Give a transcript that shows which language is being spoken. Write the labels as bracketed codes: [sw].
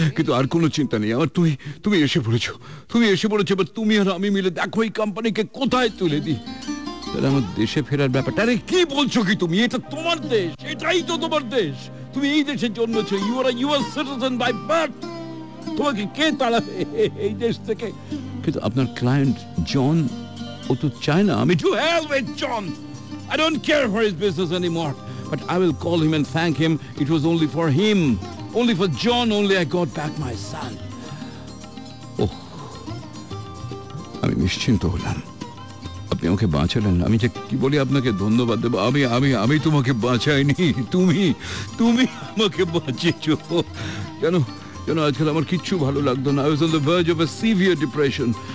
[bn] কিন্তু আর কোনো চিন্তা নেই আমার তুমি তুমি এসে পড়েছো এবার তুমি আর আমি মিলে দেখো এই কোম্পানিকে কোথায় তুলে দি তাহলে আমার দেশে ফেরার ব্যাপারটা আরে কি বলছো কি তুমি এটা তোমার দেশ এটাই তো তোমার দেশ তুমি এই দেশে জন্মেছো [en] you are US citizen by birth [bn] তোমাকে কে তাড়াবে এই দেশ থেকে কিন্তু আপনার ক্লায়েন্ট জন ও তো চায় না আমি [en] To hell with John I don't care for his business anymore But I will call him and thank him. It was only for him. Only for John only I got back my son. Oh. [bn] আমি নিশ্চিন্ত হলাম আপনি আমাকে বাঁচালেন আমি যে কি বলি আপনাকে ধন্যবাদ দেবো আমি আমি আমি তোমাকে বাঁচাইনি তুমি তুমি আমাকে বাঁচিয়েছো কেন কেন আজকাল আমার কিচ্ছু ভালো লাগতো না [en] I was on the verge of a severe depression.